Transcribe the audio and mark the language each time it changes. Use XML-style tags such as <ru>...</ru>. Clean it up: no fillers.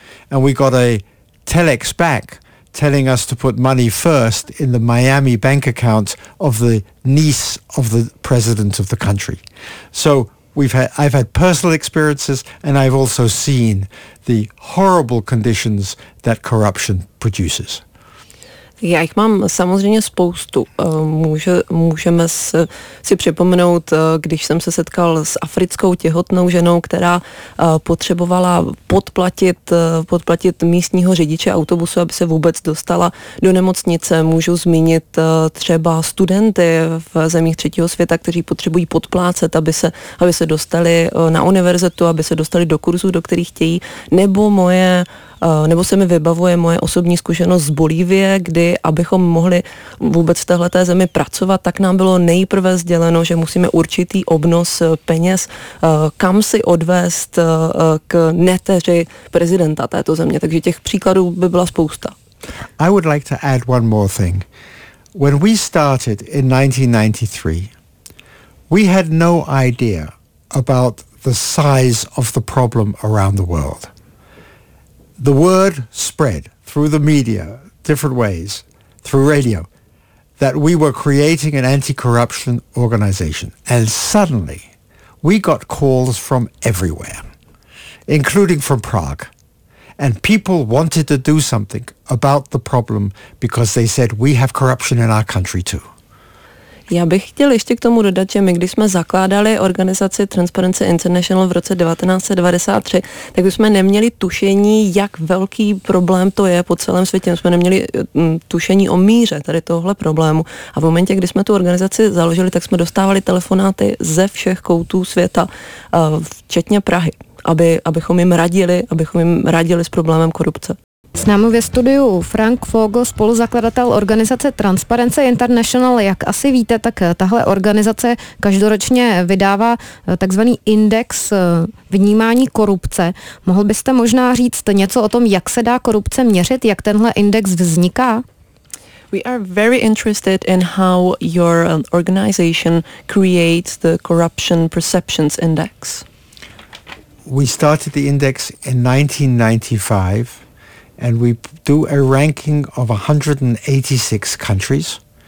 <en>And we got a telex back telling us to put money first in the Miami bank account of the niece of the president of the country. So I've had personal experiences, and I've also seen the horrible conditions that corruption produces.</en> <cs>Já jich mám samozřejmě spoustu. Můžeme si připomenout, když jsem se setkal s africkou těhotnou ženou, která potřebovala podplatit místního řidiče autobusu, aby se vůbec dostala do nemocnice. Můžu zmínit třeba studenty v zemích třetího světa, kteří potřebují podplácet, aby se dostali na univerzitu, aby se dostali do kurzů, do kterých chtějí, nebo se mi vybavuje moje osobní zkušenost z Bolívie, kdy abychom mohli vůbec v téhleté zemi pracovat, tak nám bylo nejprve sděleno, že musíme určitý obnos peněz kam si odvést k neteři prezidenta této země. Takže těch příkladů by byla spousta.</cs> <en>I would like to add one more thing. When we started in 1993, we had no idea about the size of the problem around the world. The word spread through the media, different ways, through radio, that we were creating an anti-corruption organization. And suddenly, we got calls from everywhere, including from Prague. And people wanted to do something about the problem because they said, we have corruption in our country too.</en> <cs>Já bych chtěl ještě k tomu dodat, že my, když jsme zakládali organizaci Transparency International v roce 1993, tak jsme neměli tušení, jak velký problém to je po celém světě. My jsme neměli tušení o míře tady tohle problému. A v momentě, kdy jsme tu organizaci založili, tak jsme dostávali telefonáty ze všech koutů světa, včetně Prahy, abychom jim radili s problémem korupce. S námi ve studiu Frank Vogel, spoluzakladatel organizace Transparency International. Jak asi víte, tak tahle organizace každoročně vydává takzvaný index vnímání korupce. Mohl byste možná říct něco o tom, jak se dá korupce měřit, jak tenhle index vzniká?</cs> <en>We are very interested in how your organization creates the Corruption Perceptions Index. We started the index in 1995. And we do a ranking of 186 countries.</en>